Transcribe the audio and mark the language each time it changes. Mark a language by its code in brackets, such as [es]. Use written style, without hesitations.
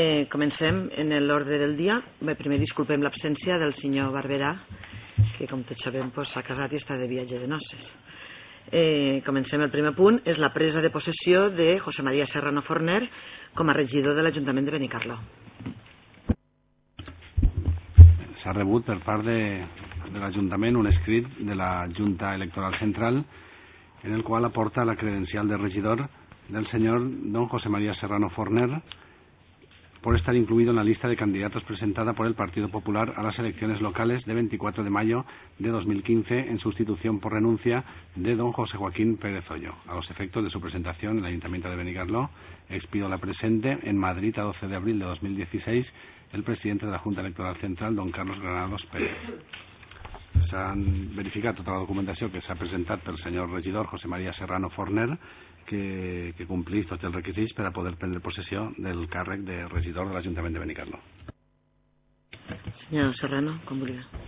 [ca] Comencem en l'ordre del dia. Bé, primer disculpem l'absència del senyor Barberà, que com tots sabem s'ha casat i està de viatge de noces. Comencem el primer punt, és la presa de possessió de José María Serrano Forner com a regidor de l'Ajuntament de Benicarló. S'ha rebut per part de l'Ajuntament un escrit de la Junta Electoral Central en el qual aporta la credencial de regidor del senyor don José María Serrano Forner [es] por estar incluido en la lista de candidatos presentada por el Partido Popular a las elecciones locales de 24 de mayo de 2015 en sustitución por renuncia de don José Joaquín Pérez Ollo. A los efectos de su presentación en el Ayuntamiento de Benicarló, expido la presente en Madrid a 12 de abril de 2016 el presidente de la Junta Electoral Central, don Carlos Granados Pérez. [ca] S'han verificat tota la documentació que s'ha presentat pel senyor regidor José María Serrano Forner, que complís tots els requisits per a poder prendre possessió del càrrec de regidor de l'Ajuntament de Benicarló. Senyor Serrano, com vulgui.